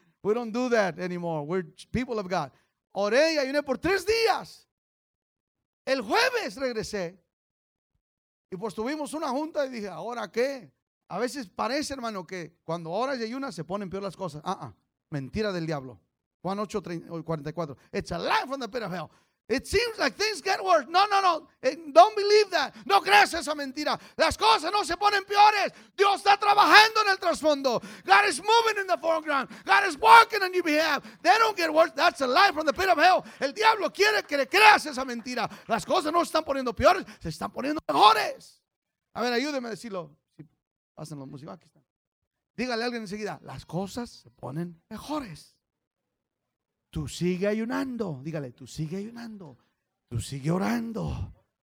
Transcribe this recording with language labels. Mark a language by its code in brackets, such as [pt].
[en] We don't do that anymore. We're people of God. [es] Oré y ayuné por 3 días. El jueves regresé. Y pues tuvimos una junta y dije, ¿ahora qué? A veces parece, hermano, que cuando oras y ayunas se ponen peor las cosas. Mentira del diablo. Juan 8:44. [en] It's a lie from the pit of hell. It seems like things get worse. No. Don't believe that. [es] No creas esa mentira. Las cosas no se ponen peores. Dios está trabajando en el trasfondo. [en] God is moving in the foreground. God is working on your behalf. They don't get worse. That's a lie from the pit of hell. [es] El diablo quiere que le creas esa mentira. Las cosas no se están poniendo peores. Se están poniendo mejores. A ver, ayúdeme a decirlo. Pasen los músicos. Aquí están. Dígale a alguien enseguida. Las cosas se ponen mejores. Tú sigue ayunando, dígale, tú sigue ayunando, tú sigue orando.